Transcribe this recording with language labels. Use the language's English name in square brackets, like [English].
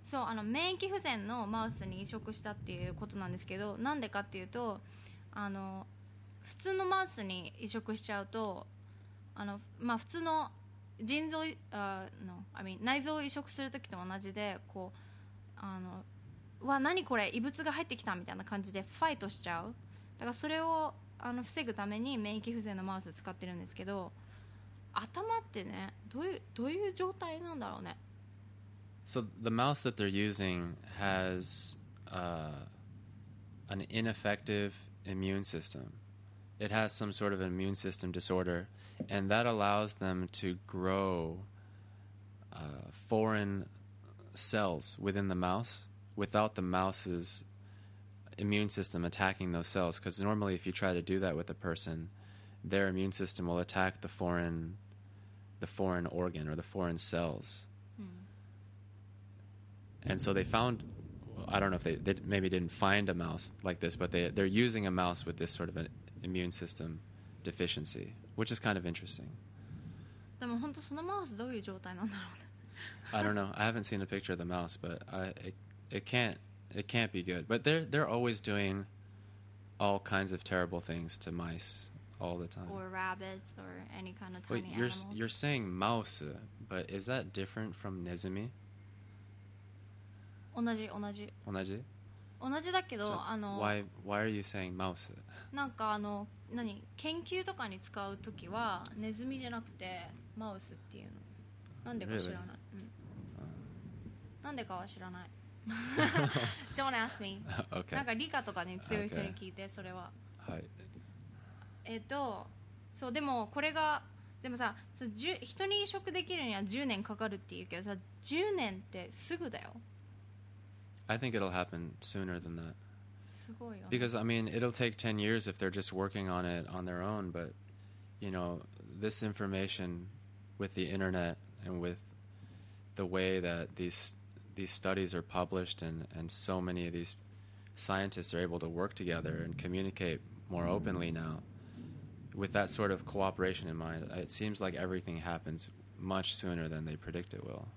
[Japanese] そう、あの免疫不全のマウスに移植したっていうことなんですけど、なんでかっていうと、あの普通のマウスに移植しちゃうと、あの、まあ、普通の腎臓、内臓を移植するときと同じで、こうあのわ何これ異物が入ってきたみたいな感じでファイトしちゃう。だからそれを防ぐために免疫不全のマウス使ってるんですけど、頭ってねどういう状態なんだろうね。 [English] So the mouse that they're using has an ineffective immune system. It has some sort of an immune system disorder, and that allows them to growforeign cells within the mouse without the mouse's immune system attacking those cells. Because normally if you try to do that with a person, their immune system will attack the foreign organ or the foreign cells. Mm. And so they found, I don't know if they maybe didn't find a mouse like this, but they're using a mouse with this sort of an immune system deficiency, which is kind of interesting. [Japanese] でも本当そのマウスどういう状態なんだろうね。 [English] I don't know. I haven't seen a picture of the mouse, but it can't be good. But they're always doing all kinds of terrible things to mice all the time. Or rabbits or any kind of tiny animals. You're saying mouse, but is that different from nezumi? [Japanese] 同じ。同じだけど、 [English] so, why are you saying mouse? [Japanese] なんか何研究とかに使うときはネズミじゃなくてマウスっていうの。なんでか知らない。 [English] Really? [Japanese] なんでかは知らない。 [English] Don't ask me. Okay. [Japanese] なんか理科とかに強い人に聞いて、okay. それは。はい。そうでもこれがでもさ、人に移植できるには10年かかるっていうけどさ、10年ってすぐだよ。 [English] I think it'll happen sooner than that. [Japanese] すごいよ。 [English] Because I mean, it'll take 10 years if they're just working on it on their own, but you know, this information with the internet and with the way that these studies are published and so many of these scientists are able to work together and communicate more openly now, with that sort of cooperation in mind, it seems like everything happens much sooner than they predict it will.